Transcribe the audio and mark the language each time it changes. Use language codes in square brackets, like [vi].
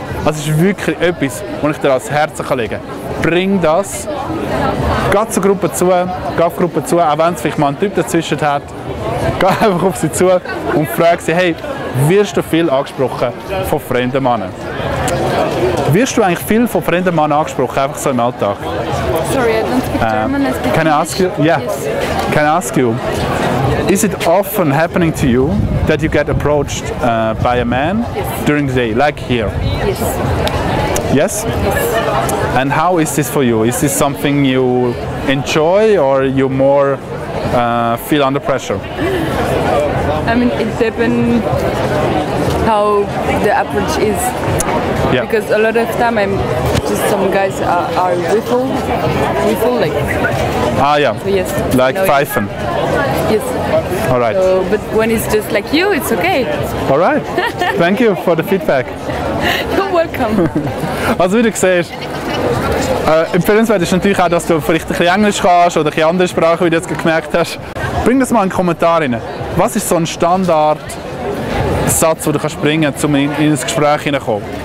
[de] Das ist wirklich etwas, was ich dir ans Herz legen kann. Bring das. Geh zur Gruppe zu. Auch wenn es vielleicht mal einen Typ dazwischen hat. Geh einfach auf sie zu und frag sie, hey, wirst du viel angesprochen von fremden Männern? Wirst du eigentlich viel von fremden Männern angesprochen, einfach so im Alltag? [en] Sorry, I don't speak German. Can I ask you? Yeah. Can I ask you? Is it often happening to you that you get approached by a man during the day, like here? Yes. Yes? And how is this for you? Is this something you enjoy or you more feel under pressure? I mean, it depends how the approach is. Yeah. Because a lot of time, I'm just some guys are whiffle like. Ah, yeah. So, yes. Like pfeifen. Yes. All right. So, but when it's just like you, it's okay. All right. Thank you for the feedback. You're welcome. [de] Also, wie du siehst, empfehlenswert ist natürlich auch, dass du vielleicht ein bisschen Englisch kannst oder eine andere Sprache, wie du jetzt gemerkt hast. Bring das mal in den Kommentar rein. Was ist so ein Standardsatz, den du kannst bringen, um in das Gespräch hineinzukommen?